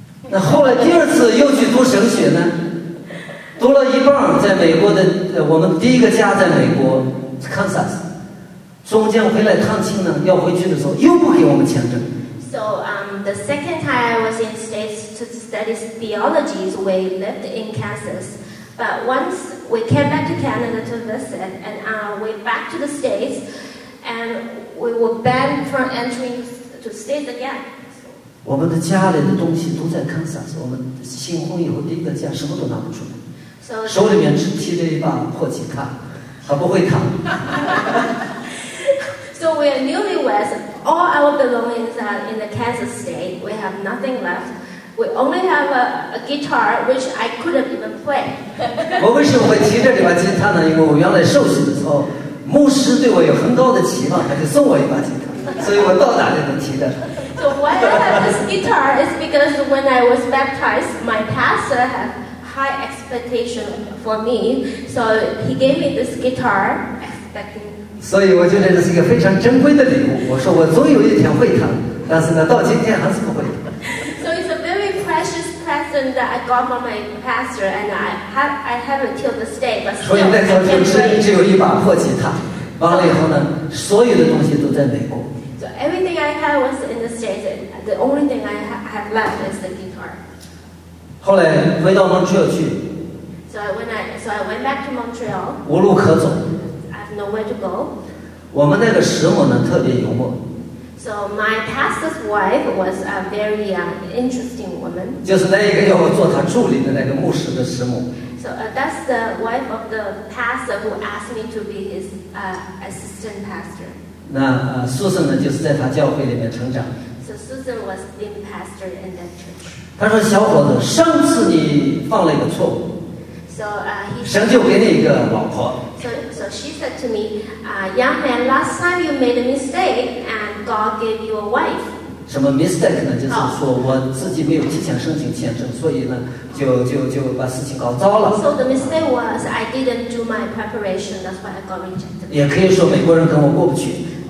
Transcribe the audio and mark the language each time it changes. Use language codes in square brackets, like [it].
[zh] 那后来第二次又去读神学呢？读了一半，在美国的我们第一个家在美国 Kansas。中间回来探亲呢，要回去的时候又不给我们签证。 [en] So, the second time I was in the States to study theology, we lived in Kansas. But once we came back to Canada to visit, and we back to the States, and we were banned from entering to the States again. [zh] 我们的家里的东西都在堪萨斯，我们新婚以后第一个家什么都拿不出来，手里面只提着一把破吉他，还不会弹。 [en] So we are newlyweds. All our belongings are in the Kansas state. We have nothing left. We only have a guitar, which I couldn't even play. [zh] 我为什么会提着这把吉他呢？因为我原来受洗的时候，牧师对我有很高的期望，他就送我一把吉他，所以我到哪里都提着。 [en] So why I have this guitar is because when I was baptized, my pastor had high expectation for me. So he gave me this guitar expecting. [zh] 所以我觉得这是一个非常珍贵的礼物。我说我总有一天会弹，但是呢，到今天还是不会。 [en] So it's a very precious present that I got from my pastor, and I have it till this day. But [zh] 所以那时候就只有一把破吉他。完了以后呢，所有的东西都在美国。 [en] Everything I had was in the States. The only thing I have left is the guitar. [zh] 后来回到蒙特利尔去。 [en] So I went back to Montreal. [zh] 无路可走。 [en] I have nowhere to go. [zh] 我们那个师母呢特别幽默。 [en] So my pastor's wife was a very interesting woman. [zh] 就是那一个要做他助理的那个牧师的师母。 [en] So that's the wife of the pastor who asked me to be his assistant pastor. [zh] 那Susan 呢就是在他教会里面成长。 [en] So Susan was the pastor in that church. [zh] 他说小伙子上次你犯了一个错误。 [en] So, [zh] 神就给你一个老婆。 [en] So she said to me, young man, last time you made a mistake and God gave you a wife. [zh] 什么 mistake 呢就是说我自己没有提前申请签证所以呢就把事情搞糟了。 [en] So the mistake was I didn't do my preparation, that's why I got rejected. [zh] 也可以说美国人跟我过不去。